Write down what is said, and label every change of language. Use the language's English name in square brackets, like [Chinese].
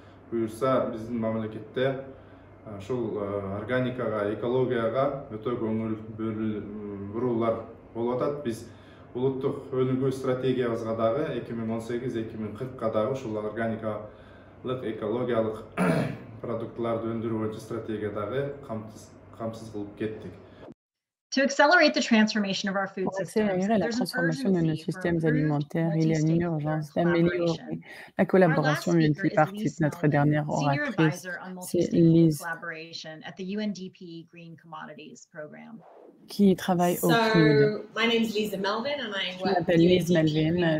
[Kyrgyz] Буюрса, биздин мамлекетте ушул органикага, экологияга өтө көңүл бурулар болуп атат. Биз улуттук өнүгүү стратегиябызга дагы 2018-2040 дагы ушул органикалык, экологиялык продуктыларды өндүрүү боюнча стратегия дагы камсыз кылып кеттик. [English] To accelerate the transformation of our food systems, there's an urgency for improved collaboration. [French] De nos systèmes alimentaires, il y a une urgence d'améliorer la collaboration multipartite. Notre dernière oratrice, c'est Liz, [English] at the UNDP Green Commodities Program. [French] Qui travaille au CNUD. Je m'appelle Liz Melvin,